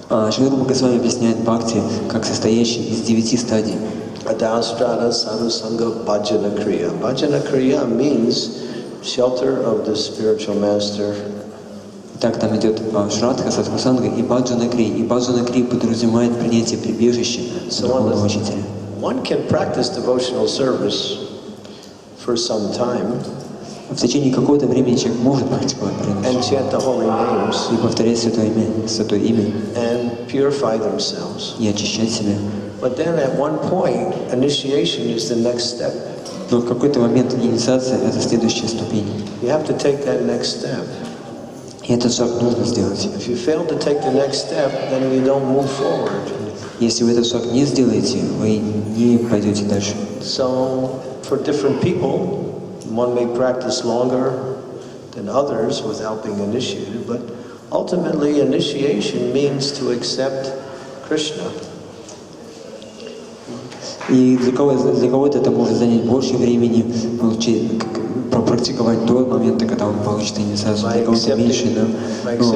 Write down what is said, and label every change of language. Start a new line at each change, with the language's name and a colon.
Russian: Шри Рупа Госвами объясняет Бхакти как состоящий из 9 стадий.
Sanskrit: Adhastrana, Sadhu Sangha, Bhajana Kriya.
English: Bhajana Kriya means shelter of the spiritual master.
Russian: Так там идет Шрадха, Садху Санга и Бхаджана Крия. И Бхаджана Крия подразумевает принятие прибежища духовного учителя.
English: One can practice devotional service for some time.
Russian: В течение какого-то времени человек может практиковать прибежище.
English: And chant the holy names.
Russian: И повторять святое имя.
English: And purify themselves.
Russian: И очищать себя.
English: But then at one point, initiation is the next step.
Russian: Но в какой-то момент инициация — это следующая ступень.
English: You have to take that next step.
Russian: И этот шаг нужно сделать.
English: If you fail to take the next step, then you don't move forward.
Russian: Если вы этот шаг не сделаете, вы не пойдете дальше.
English: So, for different people, one may practice longer than others without being initiated, but ultimately initiation means to accept Krishna.
Russian: И для кого-то это может занять больше времени, получить практиковать до момента, когда он получит инициацию, для кого-то меньше, да?